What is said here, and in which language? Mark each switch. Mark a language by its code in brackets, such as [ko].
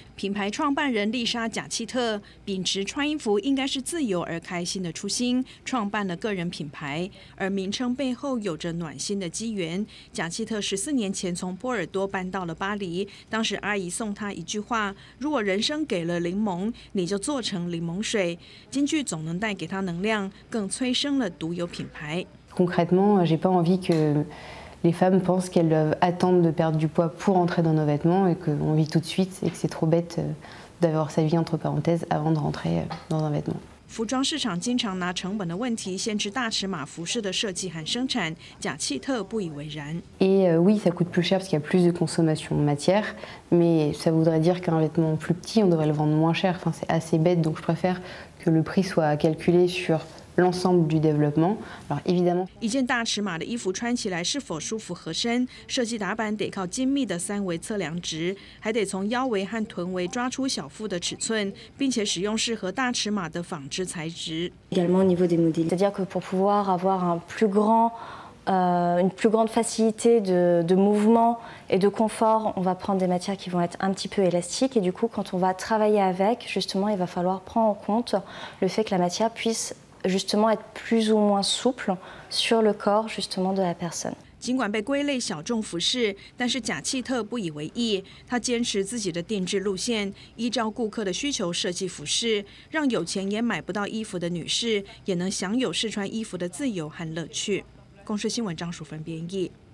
[zh] 品牌创办人丽莎·贾契特秉持穿衣服应该是自由而开心的初心，创办了个人品牌，而名称背后有着暖心的机缘。贾契特14年前从波尔多搬到了巴黎，当时阿姨送她一句话：如果人生给了柠檬，你就做成柠檬水。金句总能带给她能量，更催生了独有品牌。 [fr] Concrètement, j'ai pas envie que les femmes pensent qu'elles doivent attendre de perdre du poids pour entrer dans nos vêtements et qu'on vit tout de suite et que c'est trop bête d'avoir sa vie entre parenthèses avant de rentrer dans un vêtement. [zh] 服装市场经常拿成本的问题限制大尺码服饰的设计和生产，贾契特不以为然。 [fr] Et oui, ça coûte plus cher parce qu'il y a plus de consommation de matière, mais ça voudrait dire qu'un vêtement plus petit, on devrait le vendre moins cher. Enfin, c'est assez bête, donc je préfère que le prix soit calculé sur l'ensemble du développement. Alors évidemment, [zh] 一件大尺码的衣服穿起来是否舒服合身，设计打版得靠精密的三维测量值，还得从腰围和臀围抓出小腹的尺寸，并且使用适合大尺码的纺织材质。 [fr] Également au niveau des modèles, c'est-à-dire que pour pouvoir avoir un plus grand, une plus grande facilité de mouvement et de confort, on va prendre des matières qui vont être un petit peu élastiques et du coup, quand on va travailler avec, justement, il va falloir prendre en compte le fait que la matière puisseJustement, être plus ou moins souple sur le corps, justement, de la personne. [zh] 尽管被归类小众服饰，但是贾契特不以为意。他坚持自己的定制路线，依照顾客的需求设计服饰，让有钱也买不到衣服的女士也能享有试穿衣服的自由和乐趣。公视新闻张淑芬编译。